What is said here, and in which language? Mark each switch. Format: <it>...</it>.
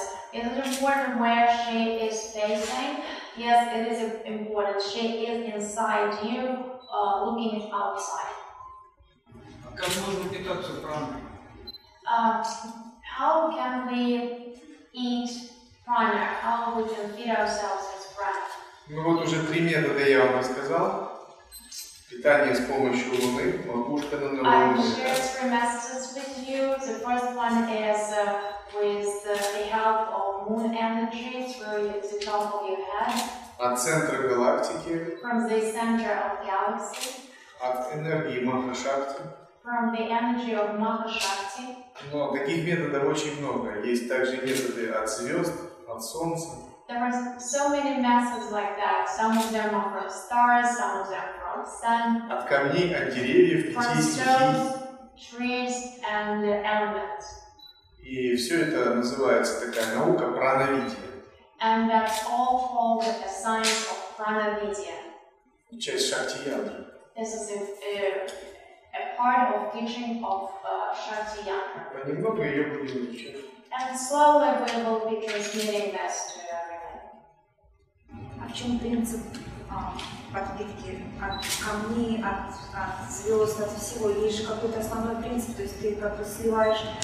<en>Is it important where she is facing? Yes, it is important. She is inside you, looking outside. How can we eat prana? How we can feed ourselves as prana?</en> <ru>Ну вот уже три метода я вам рассказал. Питание с помощью луны, макушка на луне.</ru> <en>I shared three messages with you. The first one is with the help of moon energy through the top of your head.</en> <ru>От центра галактики.</ru> <en>From the center of galaxy.</en> <ru>От энергии Махашакти.</ru> <en>From the energy of Махашакти.</en> <ru>Но таких методов очень много. Есть также методы от звезд, от солнца.</ru> <en>There are so many methods like that. Some of them are from stars, some of them from sun.</en> <ru>От камней, от деревьев, птиц,</ru> <en>stones, trees, and elements.</en> <ru>И все это называется такая наука прановидья.</ru> <en>And that's all called the science of prana-vidya.</en> <ru>Часть шакти-ядры.</ru> <en>This is a part of teaching of шакти-ядры.</en> <ru>Понемногу ее будем изучать.</ru> <en>And slowly we will be transmitting this to everyone.</en> <ru>А в чем принцип подпитки? От камней, от звезд, от всего? Есть же какой-то основной принцип, то есть ты как бы сливаешь.</ru>